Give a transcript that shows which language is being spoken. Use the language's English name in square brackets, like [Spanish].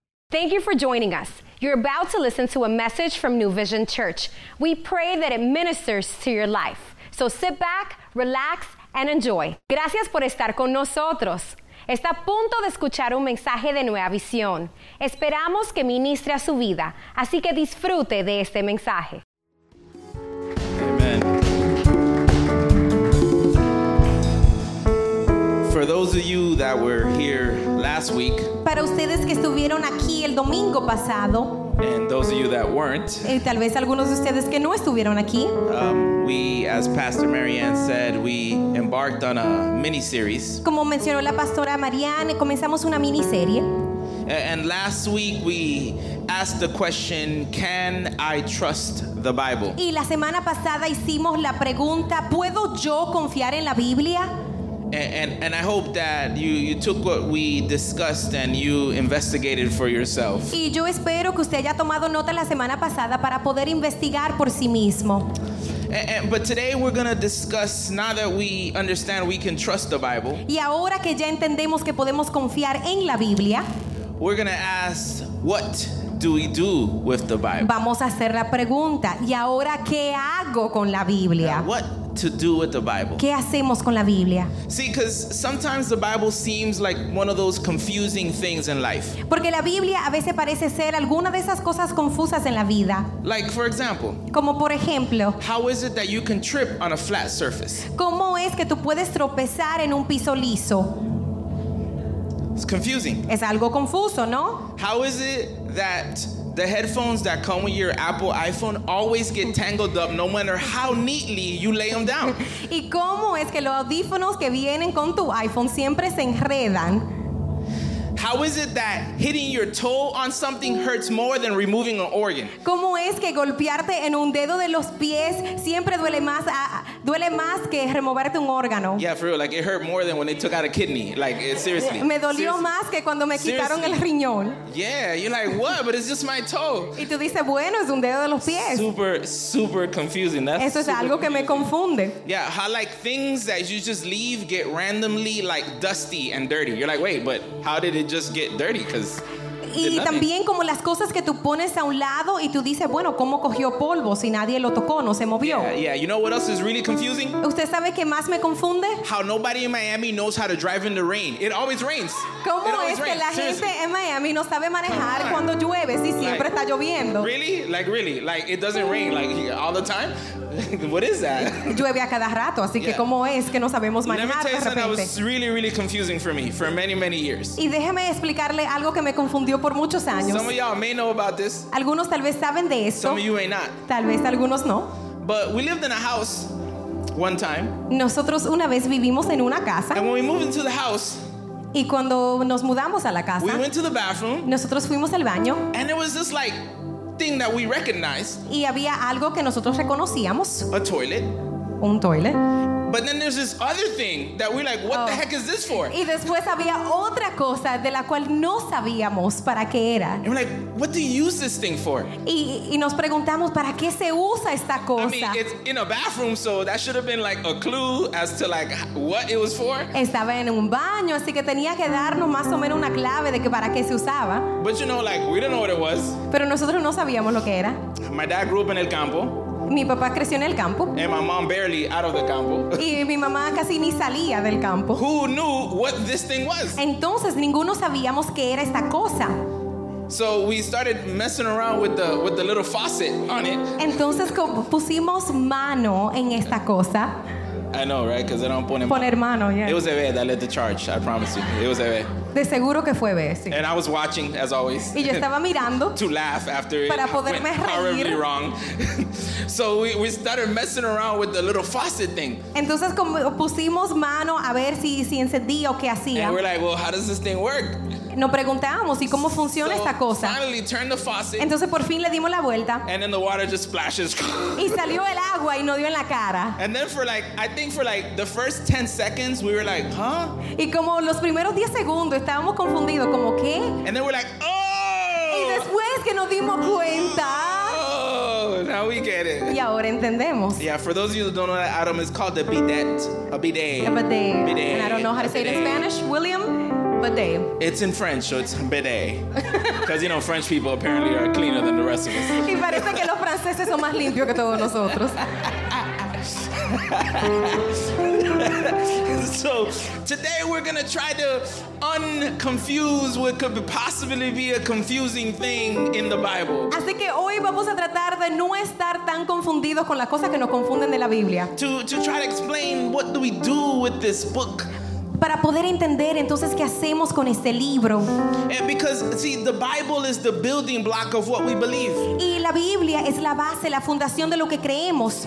[English] Thank you for joining us. You're about to listen to a message from New Vision Church. We pray that it ministers to your life. So sit back, relax, and enjoy. [Spanish] Gracias por estar con nosotros. Está a punto de escuchar un mensaje de Nueva Visión. Esperamos que ministre a su vida. Así que disfrute de este mensaje. [English] Amen. For those of you that were here last week, [Spanish] para ustedes que estuvieron aquí el domingo pasado, [English] and those of you that weren't, [Spanish] y tal vez algunos de ustedes que no estuvieron aquí, [English] we, as Pastor Marianne said, we embarked on a mini-series. [Spanish] Como mencionó la pastora Marianne, comenzamos una miniserie. [English] And last week we asked the question, can I trust the Bible? [Spanish] Y la semana pasada hicimos la pregunta, ¿puedo yo confiar en la Biblia? [English] And I hope that you took what we discussed and you investigated for yourself. [Spanish] Y yo espero que usted haya tomado nota la semana pasada para poder investigar por sí mismo. [English] But today we're going to discuss, now that we understand we can trust the Bible. [Spanish] Y ahora que ya entendemos que podemos confiar en la Biblia, [English] we're going to ask, what do we do with the Bible? [Spanish] Vamos a hacer la pregunta, ¿y ahora qué hago con la Biblia? [English] What to do with the Bible? [Spanish] ¿Qué hacemos con la Biblia? [English] See, because sometimes the Bible seems like one of those confusing things in life. [Spanish] Porque la Biblia a veces parece ser alguna de esas cosas confusas en la vida. [English] Like, for example, [Spanish] como por ejemplo, [English] how is it that you can trip on a flat surface? [Spanish] ¿Cómo es que tú puedes tropezar en un piso liso? [English] It's confusing. [Spanish] Es algo confuso, ¿no? [English] How is it that the headphones that come with your Apple iPhone always get tangled up no matter how neatly you lay them down? [Spanish] ¿Y cómo es que los audífonos que vienen con tu iPhone siempre se enredan? [English] How is it that hitting your toe on something hurts more than removing an organ? [Spanish] ¿Cómo es que golpearte en un dedo de los pies siempre duele más que removerte un órgano? [English] Yeah, for real. Like, it hurt more than when they took out a kidney. Like, seriously. [Spanish] Me dolió [English] seriously. [Spanish] Más que cuando me [English] seriously. [Spanish] Quitaron el riñón. [English] Yeah, you're like, what? But it's just my toe. [Spanish] Y tú dices, bueno, es un dedo de los pies. [English] Super, super confusing. That's [Spanish] eso es algo que [English] confusing. [Spanish] Me confunde. [English] Yeah, how like things that you just leave get randomly like dusty and dirty. You're like, wait, but how did it just get dirty? Because [Spanish] y también como las cosas que tú pones a un lado y tú dices, bueno, ¿cómo cogió polvo si nadie lo tocó, no se movió? [English] Yeah, you know what else is really confusing? [Spanish] ¿Usted sabe qué más me confunde? [English] How nobody in Miami knows how to drive in the rain. It always rains. [Spanish] ¿Cómo [English] always [Spanish] es que [English] rains? [Spanish] La gente [English] seriously. [Spanish] En Miami no sabe manejar cuando llueve si siempre [English] like, [Spanish] está lloviendo? [English] Really? Like, really? Like, it doesn't rain like all the time? What is that? [Spanish] Llueve a cada rato, así que ¿cómo es que no sabemos manejar de repente? [English] Let me tell you something that was really, really confusing for me for many, many years. [Spanish] Y déjeme explicarle algo que me confundió por muchos años. [English] Some of y'all may know about this. [Spanish] Algunos tal vez saben de esto. [English] Some of you may not. [Spanish] Tal vez algunos no. [English] But we lived in a house one time. [Spanish] Nosotros una vez vivimos en una casa. [English] And when we moved into the house, [Spanish] y cuando nos mudamos a la casa, [English] we went to the bathroom. [Spanish] Nosotros fuimos al baño. [English] And it was just like thing that we recognized. [Spanish] Y había algo que nosotros reconocíamos. [English] A toilet. [Spanish] Un toilet. [English] But then there's this other thing that we're like, what the heck is this for? [Spanish] Y después había otra cosa de la cual no sabíamos para qué era. [English] And we're like, what do you use this thing for? [Spanish] Y nos preguntamos, ¿para qué se usa esta cosa? [English] I mean, it's in a bathroom, so that should have been like a clue as to like what it was for. [Spanish] Estaba en un baño, así que tenía que darnos más o menos una clave de que para qué se usaba. [English] But you know, like, we didn't know what it was. [Spanish] Pero nosotros no sabíamos lo que era. [English] My dad grew up in [Spanish] el campo. Mi papá creció en el campo. [English] And my mom barely out of the campo. [Spanish] Y mi mamá casi ni salía del campo. [English] Who knew what this thing was? [Spanish] Entonces ninguno sabíamos qué era esta cosa. [English] So we started messing around with the little faucet on it. [Spanish] Entonces pusimos mano en esta cosa. [English] I know, right? Because they don't put [Spanish] mano. Poner mano, yeah. [English] It was Eve that led the charge, I promise you. It was Eve. [Spanish] De seguro que fue Eve, sí. [English] And I was watching, as always. [Spanish] Y yo estaba mirando. [English] To laugh after [Spanish] para [English] it [Spanish] poderme [English] went [Spanish] reír. [English] Horribly wrong. So we started messing around with the little faucet thing. [Spanish] Entonces como pusimos mano a ver si encendía o qué hacía. [English] And we're like, well, how does this thing work? [Spanish] Nos preguntábamos, ¿y cómo funciona esta cosa? [English] Finally turned the faucet. [Spanish] Entonces por fin le dimos la vuelta. [English] And then the water just splashes. [Spanish] Y salió el agua y nos dio en la cara. [English] And then for like, I think for like the first 10 seconds, we were like, huh? [Spanish] Y como los primeros 10 segundos estábamos confundidos, ¿como qué? [English] And then we're like, oh! [Spanish] Y después que nos dimos cuenta. [English] Now we get it. [Spanish] Y ahora entendemos. [English] Yeah, for those of you who don't know that, Adam, it's called a bidet. A bidet. A bidet. And I don't know how to say it in Spanish. William? bidet. It's in French, so it's bidet. Because, you know, French people apparently are cleaner than the rest of us. [Spanish] Y parece que los franceses son más limpios que todos nosotros. [English] So today we're going to try to unconfuse what could possibly be a confusing thing in the Bible. [Spanish] Así que hoy vamos a tratar de no estar tan confundidos con las cosas que nos confunden de la Biblia. [English] To try to explain what do we do with this book. [Spanish] Para poder entender entonces qué hacemos con este libro. [English] And because, see, the Bible is the building block of what we believe. [Spanish] Y la Biblia es la base, la fundación de lo que creemos.